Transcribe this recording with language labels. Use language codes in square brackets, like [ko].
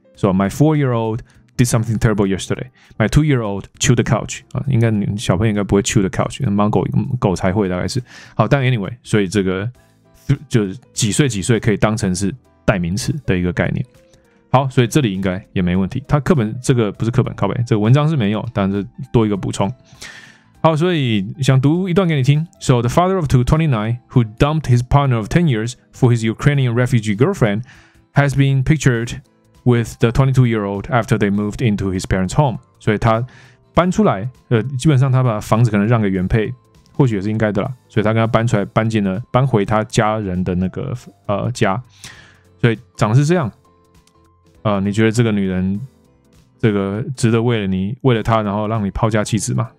[en] 说、so, my four-year-old did something terrible yesterday， my two-year-old chewed the couch， [zh] 应该小朋友应该不会 [en] chew the couch， [zh] 猫狗才会大概是。好，但 anyway， 所以这个就是几岁几岁可以当成是代名词的一个概念。好，所以这里应该也没问题。他课本这个不是课本，靠北，这个文章是没有，但是多一个补充。好，所以想读一段给你听。 [en] So the father of two, 29, who dumped his partner of 10 years for his Ukrainian refugee girlfriend, has been pictured with the 22-year-old after they moved into his parents' home. [zh] 所以他搬出来，基本上他把房子可能让给原配，或许也是应该的啦。所以他跟他搬出来，搬回他家人的那个家。所以长得是这样。你觉得这个女人，这个值得为了你，为了她，然后让你抛家弃子吗？